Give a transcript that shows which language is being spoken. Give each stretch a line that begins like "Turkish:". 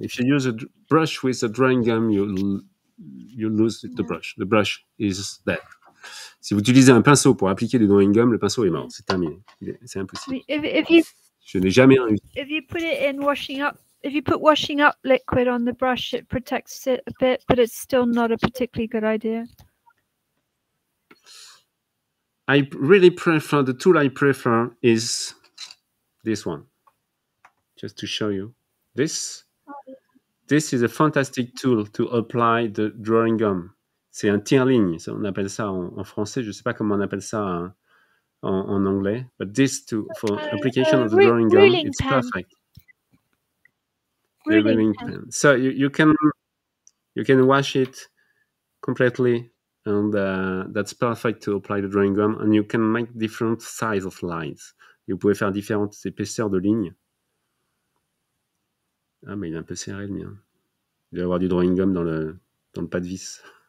English: If you use a brush with a drawing gum, you lose the brush. The brush is dead.
French: Si vous utilisez un pinceau pour appliquer du drawing gum, le pinceau est mort. C'est terminé. C'est impossible. Je n'ai jamais eu.
English: If you put it in washing up, if you put washing up liquid on the brush, it protects it a bit, but it's still not a particularly good idea. I really prefer, the tool I prefer is this one. Just to show you. This is a fantastic tool to apply the drawing gum.
French: C'est un tire-ligne, on appelle ça en français, je ne sais pas comment on appelle ça en anglais.
English: But this tool, for application of the drawing gum, it's perfect. The ruling pen. So you can wash it completely. And that's perfect to apply the drawing gum. And you can make different size of lines.
French: Vous pouvez faire différentes épaisseurs de lignes. Ah, mais il est un peu serré, le mien. Il doit y avoir du drawing gum dans le pas de vis.